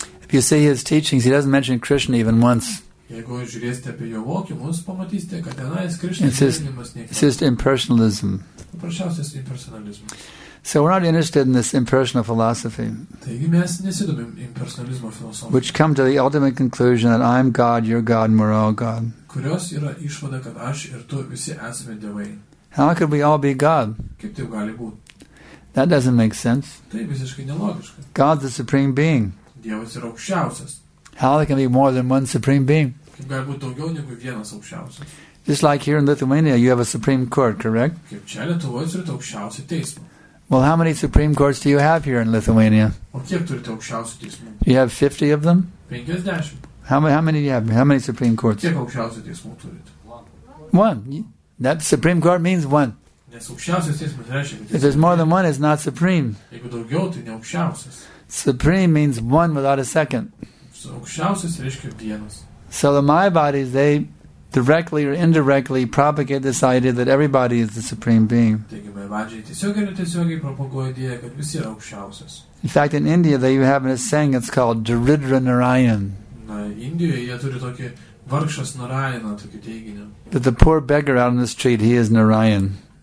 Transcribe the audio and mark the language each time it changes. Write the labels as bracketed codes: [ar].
[en] You see his teachings, he doesn't mention Krishna even once. [lt] Jeigu žiūrėsite apie jo mokymus, pamatysite, kad tenais Krishna's [en] impersonalism. [lt] Paprasčiausias impersonalism. [en] So we're not interested in this impersonal philosophy. [lt] Taigi mes nesidomim impersonalizmo filosofija. [en] Which come to the ultimate conclusion that I'm God, you're God, and we're all God. [lt] Kurios yra išvada, kad aš ir tu visi esame dievai. [en] How could we all be God? [lt] Kaip tai gali būti? [en] That doesn't make sense. [lt] Tai visiškai nelogiška. [en] God's the supreme being. [lt] Dievas yra aukščiausias. [en] How there can be more than one supreme being? [lt] Kaip gali būti daugiau negu vienas aukščiausias. [en] Just like here in Lithuania, you have a supreme court, correct? [lt] Kaip čia Lietuvoje turite aukščiausią teismą. [en] Well, how many supreme courts do you have here in Lithuania? [lt] O kiek turite aukščiausių teismų? [en] You have 50 of them? [lt] 50. [en] How many do you have? How many supreme courts? [lt] Kiek aukščiausių teismų turite? [en] One. That supreme court means one. [lt] Nes aukščiausias teismas reiškia, kad jis... [en] If there's more than one, it's not supreme. [lt] Jeigu daugiau, tai ne aukščiausias. [en] Supreme means one without a second. [lt] Aukščiausias reiškia vienas. [en] So the my bodies, they directly or indirectly propagate this idea that everybody is the supreme being. In fact, in India, they have a saying, it's called Daridra Narayan. That the poor beggar out on the street, he is Narayan.